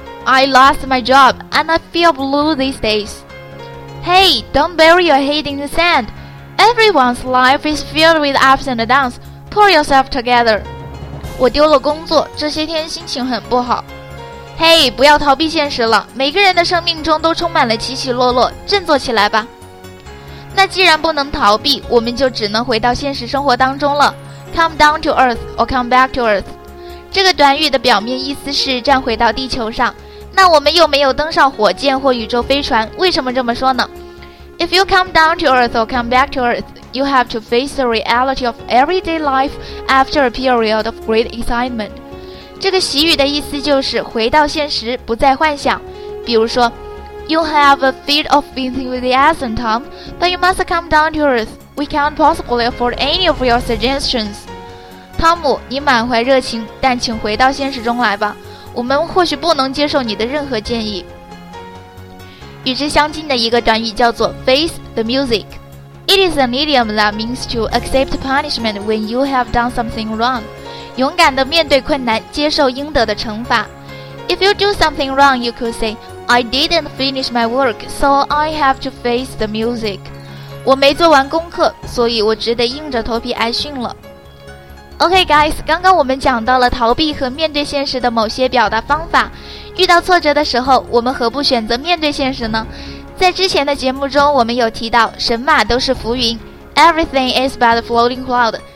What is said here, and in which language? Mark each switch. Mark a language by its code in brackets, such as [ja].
[en] I lost my job and I feel blue these days. Hey, don't bury your head in the sand. Everyone's life is filled with ups and downs. Pull yourself together. [zh] 我丢了工作，这些天心情很不好。 [en] Hey, [zh] 不要逃避现实了，每个人的生命中都充满了起起落落，振作起来吧。那既然不能逃避，我们就只能回到现实生活当中了。 [en] Come down to earth [zh] or come back to earth， 这个短语的表面意思是站回到地球上。那我们又没有登上火箭或宇宙飞船，为什么这么说呢？ [en] If you come down to earth or come back to earth, you have to face the reality of everyday life after a period of great excitement。 [zh] 这个习语的意思就是回到现实，不再幻想。比如说 [en] You have a fit of enthusiasm, Tom, but you must come down to earth. We can't possibly afford any of your suggestions. [zh] Tom, 你满怀热情，但请回到现实中来吧，我们或许不能接受你的任何建议。与之相近的一个短语叫做 face the music. [en] It is an idiom that means to accept punishment when you have done something wrong. [zh] 勇敢地面对困难，接受应得的惩罚。 [en] If you do something wrong, you could say, I didn't finish my work, so I have to face the music. [zh] 我没做完功课，所以我只得硬着头皮挨训了。 [en] OK guys, [zh] 刚刚我们讲到了逃避和面对现实的某些表达方法。遇到挫折的时候，我们何不选择面对现实呢？在之前的节目中，我们有提到神马都是浮云， [en] Everything is but a floating cloud.